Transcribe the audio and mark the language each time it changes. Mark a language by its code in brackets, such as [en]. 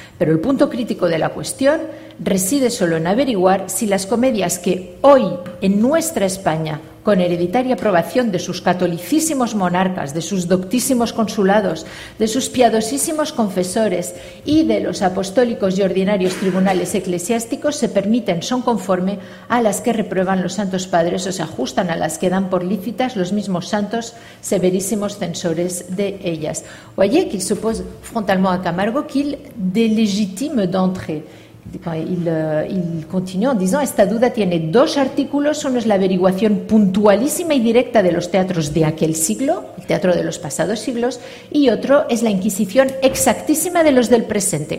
[es] Pero el punto crítico de la cuestión reside solo en averiguar si las comedias que hoy en nuestra España, con hereditaria aprobación de sus catolicísimos monarcas, de sus doctísimos consulados, de sus piadosísimos confesores y de los apostólicos y ordinarios tribunales eclesiásticos, se permiten, son conforme a las que reprueban los santos padres o se ajustan a las que dan por lícitas los mismos santos severísimos censores de ellas. [fr] Voyez qu'il se pose frontalement à Camargo qu'il délégitime d'entrée. Il continue en disant: [es] esta duda tiene dos artículos. Uno es la averiguación puntualísima y directa de los teatros de aquel siglo, el teatro de los pasados siglos, y otro es la inquisición exactísima de los del presente.